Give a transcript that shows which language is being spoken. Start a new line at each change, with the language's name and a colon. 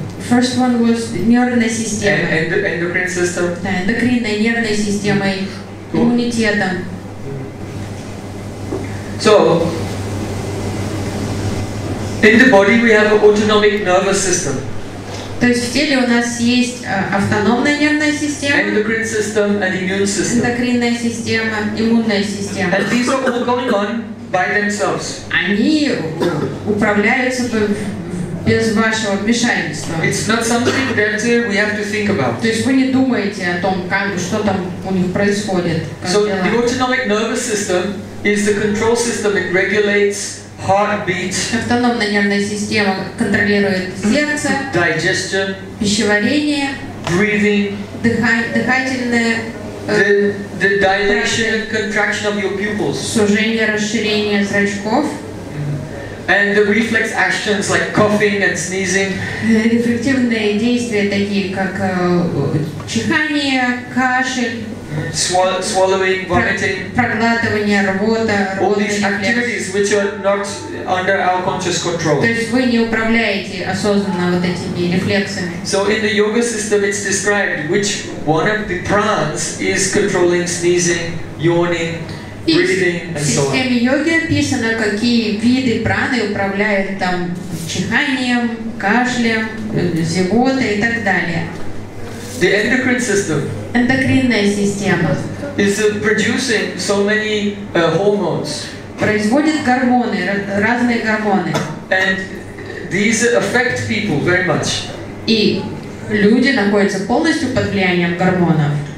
English: First one was
Russian: нервной системой.
English: Endocrine system.
Russian: Эндокринной нервной системой, иммунитетом.
English: So, in the body we have an autonomic nervous system.
Russian: То есть в теле у нас есть автономная нервная система.
English: Endocrine system and immune system.
Russian: Эндокринная система, иммунная система.
English: And these are all going on by themselves.
Russian: Они управляются без вашего вмешательства.
English: It's not something that we have to think about.
Russian: То есть вы не думаете о том, как, что там у них происходит.
English: So the autonomic nervous system is the control system that regulates heartbeat,
Russian: автономная нервная система контролирует сердце,
English: digestion,
Russian: пищеварение,
English: breathing,
Russian: дыхательное,
English: the dilation and contraction of your pupils,
Russian: сужение, расширение зрачков.
English: And the reflex actions like coughing and sneezing.
Russian: Рефлективные действия такие как чихание, кашель,
English: swallowing, vomiting.
Russian: Проглатывание, рвота.
English: All these activities which are not under our conscious control.
Russian: То есть вы не управляете осознанно вот этими рефлексами.
English: So in the yoga system, it's described which one of the pranas is controlling sneezing, yawning.
Russian: В системе йоги описано, какие виды праны управляют там чиханием, кашлем, зевотой и так далее.
English: The endocrine system.
Russian: Эндокринная система.
English: Is producing so many hormones.
Russian: Производит гормоны, разные гормоны.
English: And these affect people very much.
Russian: И люди находятся полностью под влиянием гормонов.